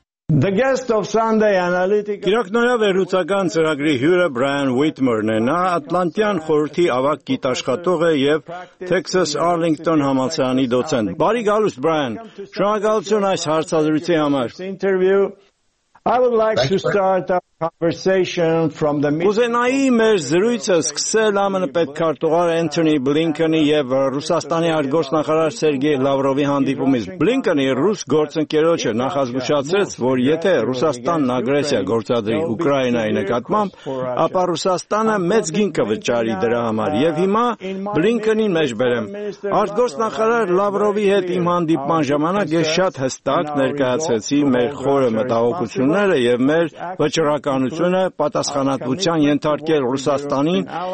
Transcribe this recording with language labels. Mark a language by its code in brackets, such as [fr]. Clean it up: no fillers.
[en] The guest of Sunday Analytica. [hy] Գիրակնորյա վերլուծական ծրագրի հյուրը Brian Whitmer-ն է, նա Ատլանտյան խորհրդի ավագ գիտաշխատող է եւ Texas Arlington համալսարանի դոցենտ։ Բարի գալուստ Brian։ Շնորհակալություն այս հարցազրույցի համար։ [en] I would like to start our conversation from the meeting. [hy] Ուզենայի մեր զրույցը սկսել ԱՄՆ պետքարտուղար Էնթոնի Բլինքենի եւ Ռուսաստանի արտգործնախարար Սերգեյ Լավրովի հանդիպումից։ Բլինքենի ռուս գործընկերոջը նախազգուշացրեց, որ եթե Ռուսաստանն ագրեսիա գործադրի Ուկրաինայի նկատմամբ, ապա Ռուսաստանը մեծ գին կվճարի դրա համար, եւ հիմա Բլինքենին մեջ բերեմ։ Արտգործնախարար Լավրովի հետ իմ հանդիպման ժամանակ ես շատ հստակ ներկայացրեցի մեր խորը մտահոգությունը եւ մեր վճռականությունը պատասխանատվության ենթարկել Ռուսաստանին